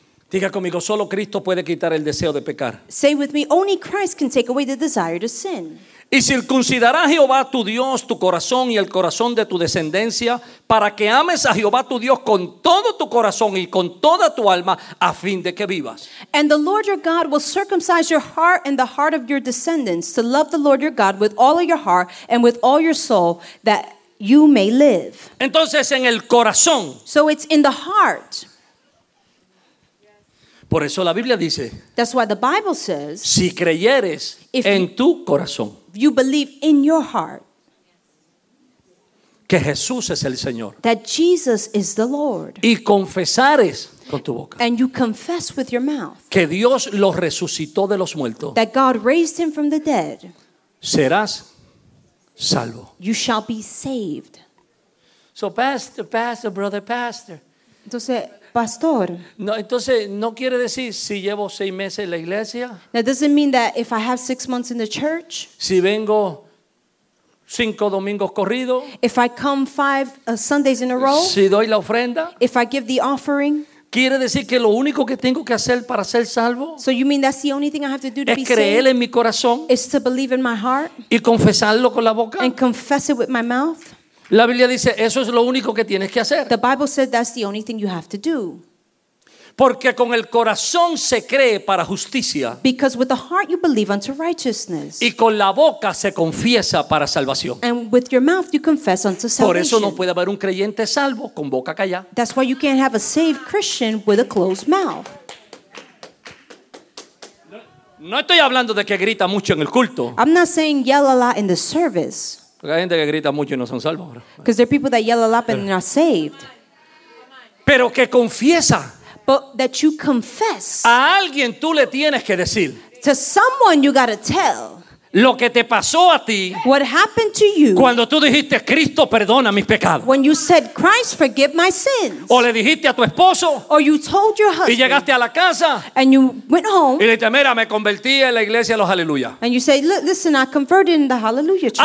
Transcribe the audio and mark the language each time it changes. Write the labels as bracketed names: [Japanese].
[Spanish] Diga conmigo, solo Cristo puede quitar el deseo de pecar. [English] Say with me, only Christ can take away the desire to sin. [Spanish] Y circuncidará Jehová tu Dios tu corazón y el corazón de tu descendencia para que ames a Jehová tu Dios con todo tu corazón y con toda tu alma a fin de que vivas. [English] And the Lord your God will circumcise your heart and the heart of your descendants to love the Lord your God with all of your heart and with all your soul that you may live. [Spanish] Entonces en el corazón. [English] So it's in the heart. [Spanish] Por eso la Biblia dice. [English] That's why the Bible says. [Spanish] Si creyeres en tu corazón. [English] You believe in your heart [Spanish] que Jesús es el Señor. [English] That Jesus is the Lord. [Spanish] Y confesares con tu boca. [English] And you confess with your mouth. [Spanish] Que Dios lo resucitó de los muertos. [English] That God raised him from the dead. [Spanish] Serás salvo. [English] You shall be saved. So pastor, brother, pastor. [Spanish] Entonces, pastor. No, entonces no quiere decir si llevo seis meses en la iglesia. [English] That doesn't mean that if I have 6 months in the church. [Spanish] Si vengo cinco domingos corridos. [English] If I come 5 Sundays in a row. [Spanish] Si doy la ofrenda. [English] If I give the offering. [Spanish] Quiere decir que lo único que tengo que hacer para ser salvo. [English] So you mean that's the only thing I have to do to be saved. [Spanish] Es creer en mi corazón. [English] Is to believe in my heart. [Spanish] Y confesarlo con la boca. [English] And confess it with my mouth. [Spanish] La Biblia dice, eso es lo único que tienes que hacer. [English] The Bible says that's the only thing you have to do. [Spanish] Porque con el corazón se cree para justicia. [English] Because with the heart you believe unto righteousness. [Spanish] Y con la boca se confiesa para salvación. [English] And with your mouth you confess unto salvation. [Spanish] Por eso no puede haber un creyente salvo con boca callada. [English] That's why you can't have a saved Christian with a closed mouth. [Spanish] No estoy hablando de que grita mucho en el culto. [English] I'm not saying yell a lot in the service. [Spanish] Porque hay gente que grita mucho y no son salvos. [English] Because there are people that yell a lot and not saved. [Spanish] Pero que confiesa. [English] But that you confess. [Spanish] A alguien tú le tienes que decir. [English] To someone you gotta tell. [Spanish] Lo que te pasó a ti, [English] what happened to you, [Spanish] cuando tú dijiste Cristo perdona mis pecados, [English] when you said Christ forgive my sins, [Spanish] o le dijiste a tu esposo, [English] or you told your husband, [Spanish] y llegaste a la casa, [English] and you went home, [Spanish] y le dijiste mira me convertí en la iglesia de los aleluya, [English] and you say listen I converted in the hallelujah church.